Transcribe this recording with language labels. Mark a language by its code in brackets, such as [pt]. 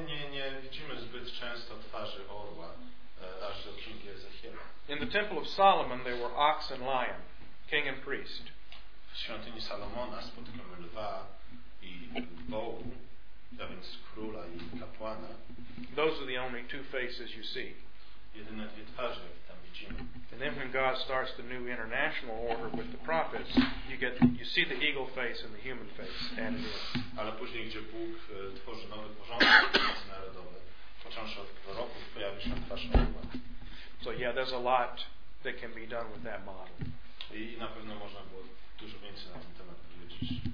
[pl] Nie widzimy zbyt często twarzy orła aż do księgi Ezechiela. [en] In the temple of Solomon there were ox and lion, king and priest. [pl] W świątyni Salomona spotykamy lwa i wołu, a więc króla i kapłana. [en] Those are the only two faces you see. [pl] Jedyne dwie twarze tam widzimy. [en] And then when God starts the new international order with the prophets, you see the eagle face and the human face added in. [pl] Ale później, gdzie Bóg tworzy nowy porządek międzynarodowy, począwszy od proroków, pojawi się twarz orła. [en] So yeah, there's a lot that can be done with that model. [pl] I na pewno można było dużo więcej na ten temat powiedzieć.